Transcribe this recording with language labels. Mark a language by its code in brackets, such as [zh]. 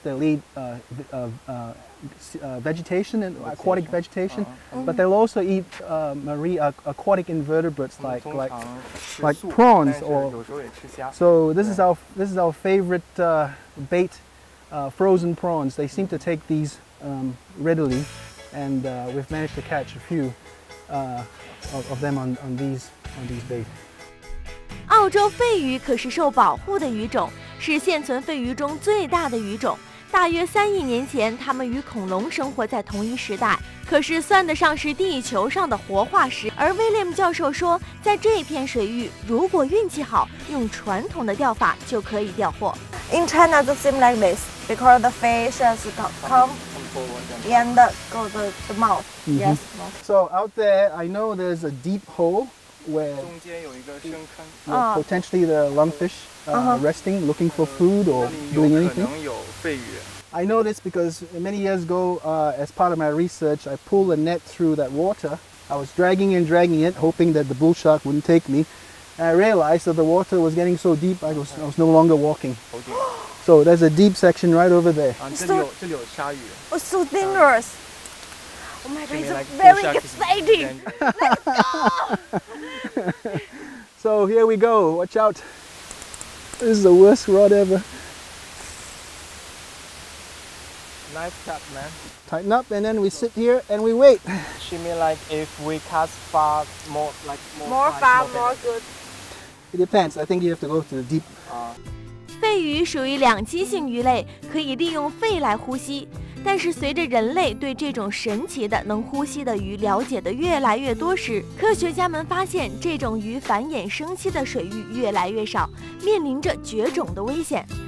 [en] They eat aquatic vegetation, but they'll also eat aquatic invertebrates like prawns. This is our favorite bait, frozen prawns. They seem to take these readily, and we've managed to catch a few of them on these bait. [zh] 澳洲鲱鱼可是受保护的鱼种，是现存鲱鱼中最大的鱼种。大约3亿年前，它们与恐龙生活在同一时代，可是算得上是地球上的活化石。而威廉姆教授说，在这片水域，如果运气好，用传统的钓法就可以钓获。 [en] In China, it seems like this because the fish has come and go the mouth. Yes. So out there, I know there's a deep hole where potentially the lungfish. Resting, looking for food or doing anything. I know this because many years ago, as part of my research, I pulled a net through that water. I was dragging and dragging it, hoping that the bull shark wouldn't take me. And I realized that the water was getting so deep, I was no longer walking. So there's a deep section right over there. It's so dangerous. Oh my god, it's very exciting. Let's go! So here we go, watch out. This is the worst rod ever. Nice cut, man. Tighten up and then we sit here and we wait. She mean like if we cast far, more like more far, more, more good. It depends. I think you have to go to the deep. [zh] 鲱鱼属于两栖性鱼类，可以利用肺来呼吸。但是随着人类对这种神奇的能呼吸的鱼了解的越来越多时，科学家们发现这种鱼繁衍生息的水域越来越少，面临着绝种的危险。